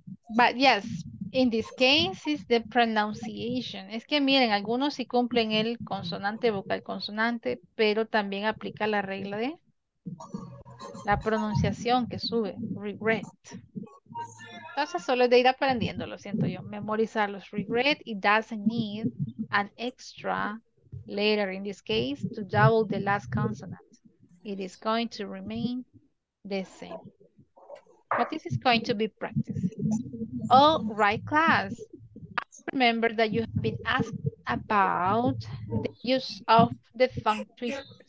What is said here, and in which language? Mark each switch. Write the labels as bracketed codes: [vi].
[en] But yes, in this case is the pronunciation. [es] Es que miren, algunos sí cumplen el consonante, vocal, consonante, pero también aplica la regla de... La pronunciación que sube, regret. Entonces solo es de ir aprendiendo, lo siento yo, memorizar los regret. [en] It doesn't need an extra letter in this case to double the last consonant. It is going to remain the same. But this is going to be practice. All right, class. Remember that you have been asked about the use of the funk twisters.